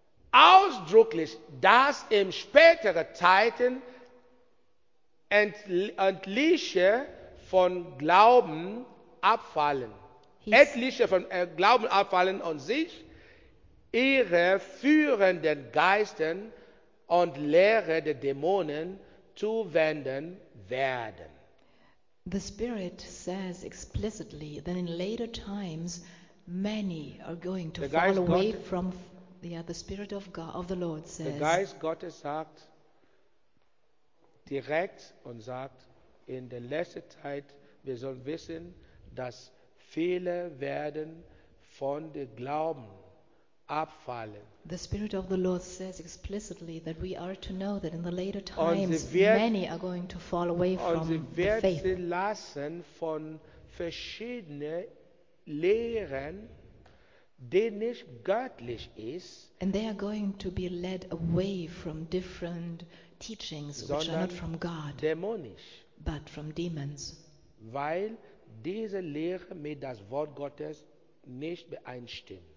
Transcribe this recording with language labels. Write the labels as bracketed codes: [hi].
[de] Ausdrücklich, dass im späteren Zeiten etliche von Glauben abfallen. Etliche von Glauben abfallen und sich ihre führenden Geistern und Lehre der Dämonen zuwenden werden. [en] The Spirit says explicitly that in later times many are going to fall away from the Spirit of God, of the Lord says. [de] Der Geist Gottes sagt direkt und sagt, in der letzten Zeit, wir sollen wissen, dass viele werden von dem Glauben abfallen. [en] The Spirit of the Lord says explicitly that we are to know that in the later times many are going to fall away from the faith. [de] Und sie werden lassen von verschiedenen Lehren, die nicht göttlich ist. [en] And they are going to be led away from different teachings which are not from God, [de] dämonisch, [en] but from demons. [de] Weil diese Lehre mit das Wort Gottes nicht übereinstimmt.